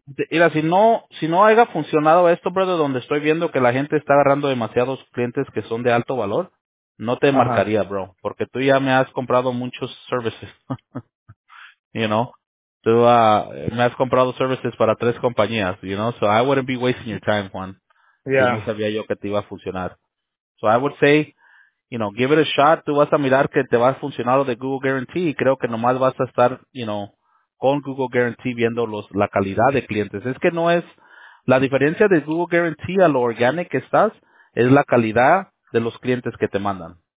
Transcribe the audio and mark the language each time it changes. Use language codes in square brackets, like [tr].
[es] Mira, si no haya funcionado esto, brother, donde estoy viendo que la gente está agarrando demasiados clientes que son de alto valor, no te marcaría, bro, porque tú ya me has comprado muchos services, Tú me has comprado services para tres compañías, [en] So I wouldn't be wasting your time, [es] Juan. [en] Yeah. [es] No sabía yo que te iba a funcionar. [en] So I would say, give it a shot. [es] Tú vas a mirar que te va a funcionar lo de Google Guarantee y creo que nomás vas a estar, con Google Guarantee viendo la calidad de clientes. Es que no es, la diferencia de Google Guarantee a lo organic que estás, es la calidad de los clientes que te mandan.